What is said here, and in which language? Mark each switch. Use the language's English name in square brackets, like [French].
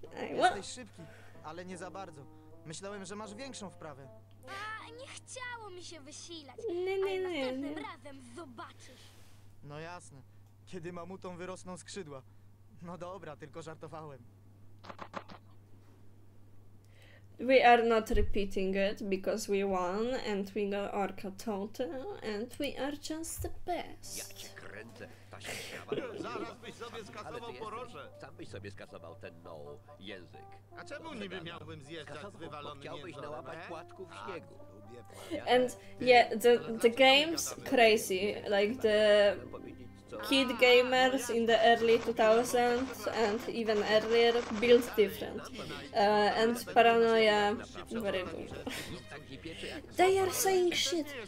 [Polish] Jesteś szybki, ale nie za bardzo. Myślałem, że masz większą wprawę. Nie chciało mi się wysilać. Ale następnym razem zobaczysz. No jasne. Kiedy mamutom wyrosną skrzydła. No dobra, tylko żartowałem. [English] We are not repeating it because we won and we got Orca Total and we are just the best. [Polish] Ja cię kręcę, ta się zaraz byś sobie skasował poroże. Sam byś sobie skasował ten nowy język. A czemu niby miałbym zjeżdżać z wywalonym językiem? Chciałbyś nałapać płatków śniegu. [English] And yeah, the game's crazy, like the kid gamers in the early 2000s and even earlier built different. And paranoia, very good. They are saying shit.